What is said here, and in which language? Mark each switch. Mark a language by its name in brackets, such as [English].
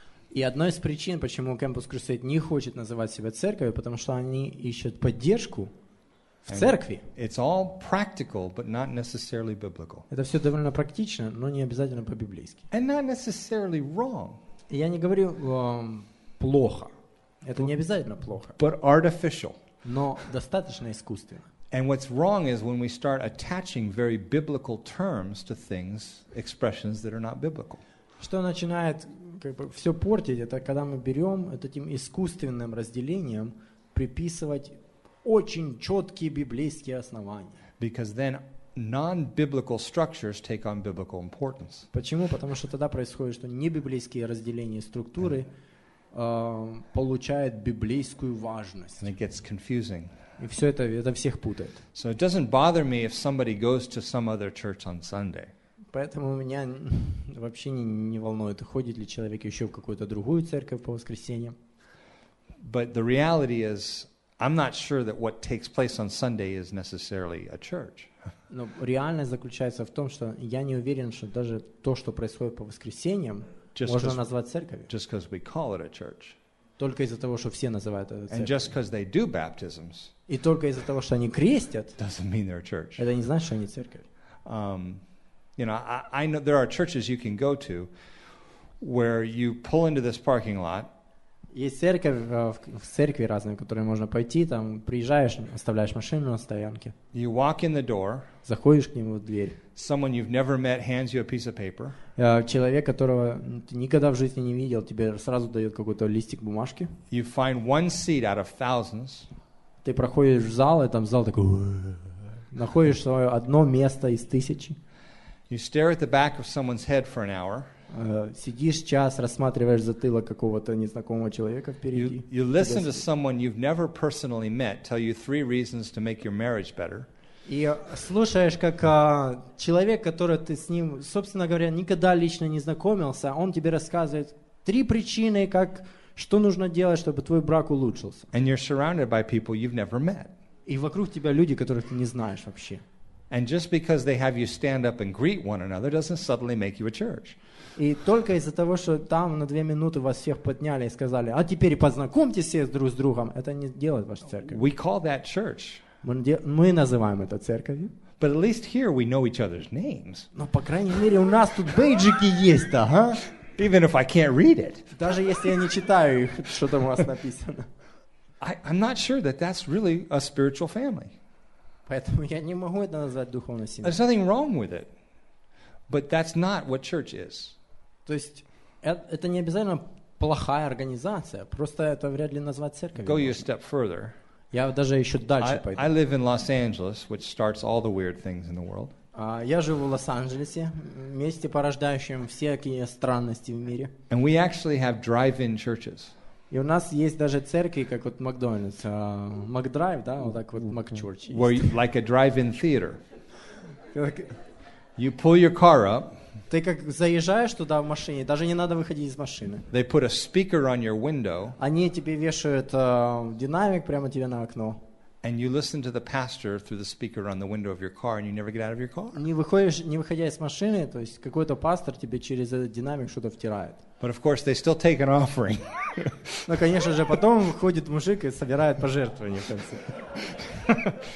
[Russian] И одной из причин, почему Campus Crusade не хочет называть себя церковью, потому что они ищут поддержку в церкви. [English] It's all practical, but not necessarily biblical. [Russian] Это все довольно практично, но не обязательно по-библейски. And not necessarily wrong. Я не говорю плохо. Это не обязательно плохо. [English] But artificial. [Russian] Но достаточно искусственно. [English] And what's wrong is when we start attaching very biblical terms to things, expressions that are not biblical. [Russian] Что начинает как бы все портить, это когда мы берем этим искусственным разделением приписывать очень четкие библейские основания. [English] Because then non-biblical structures take on biblical importance. [Russian] Почему? Потому что тогда происходит, что небиблейские разделения структуры получают библейскую важность. [English] And it gets confusing. [Russian] И все это всех путает. [English] So it doesn't bother me if somebody goes to some other church on Sunday. [Russian] Поэтому меня вообще не волнует, ходит ли человек еще в какую-то другую церковь по воскресеньям. [English] But the reality is, I'm not sure that what takes place on Sunday is necessarily a church. [Russian] Но реальность заключается в том, что я не уверен, что даже то, что происходит по воскресеньям, можно назвать церковью. [English] Just because we call it a church. [Russian] Только из-за того, что все называют это церковью. [English] And just because they do baptisms. [Russian] И только из-за того, что они крестят. [English] Doesn't mean they're a church. [Russian] Это не значит, что они церковь. [English] You know, I know there are churches you can go to where you pull into this parking lot. [Russian] Есть церковь, в церкви разные, в которые можно пойти, там приезжаешь, оставляешь машину на стоянке. [English] You walk in the door. [Russian] Заходишь к нему в дверь. [English] Someone you've never met hands you a piece of paper. [Russian] Человек, которого ты никогда в жизни не видел, тебе сразу дает какой-то листик бумажки. [English] You find one seat out of thousands. [Russian] Ты проходишь в зал, и там зал такой... Находишь свое одно место из тысячи. [English] You stare at the back of someone's head for an hour. [Russian] Сидишь час, рассматриваешь затылок какого-то незнакомого человека впереди. [English] You listen to someone you've never personally met tell you three reasons to make your marriage better. [Russian] И слушаешь, как человек, который ты с ним, собственно говоря, никогда лично не знакомился, он тебе рассказывает три причины, как что нужно делать, чтобы твой брак улучшился. [English] And you're surrounded by people you've never met. [Russian] И вокруг тебя люди, которых ты не знаешь вообще. [English] And just because they have you stand up and greet one another doesn't suddenly make you a church. [Russian] И только из-за того, что там на две минуты вас всех подняли и сказали, а теперь познакомьтесь все друг с другом, это не делает ваша церковь. [English] We call that church. [Russian] Мы называем это церковью. [English] But at least here we know each other's names. [Russian] Но по крайней мере у нас тут бейджики есть-то, а? [English] Even if I can't read it. [Russian] Даже если я не читаю их, что там у вас написано. [English] I'm not sure that that's really a spiritual family. [Russian] Поэтому я не могу это назвать духовной семьей. [English] There's nothing wrong with it. But that's not what church is. [Russian] То есть это не обязательно плохая организация, просто это вряд ли назвать церковью. [English] Go a step further. [Russian] Я даже еще дальше пойду. [English] I live in Los Angeles, which starts all the weird things in the world. [Russian] Я живу в Лос-Анджелесе, месте, порождающем всякие странности в мире. [English] And we actually have drive-in churches. [Russian] И у нас есть даже церкви, как вот Макдональдс, Макдрайв, да, вот так вот Макчерч. [English] Like a drive-in theater. You pull your car up. [Russian] Ты как заезжаешь туда в машине, даже не надо выходить из машины. [English] They put a speaker on your window. [Russian] Они тебе вешают динамик прямо тебе на окно. [English] And you listen to the pastor through the speaker on the window of your car, and you never get out of your car. [Russian] Не выходишь, не выходя из машины, то есть какой-то пастор тебе через этот динамик что-то втирает. [English] But of course, they still take an offering. [Russian] Но конечно же потом выходит мужик и собирает пожертвования в конце.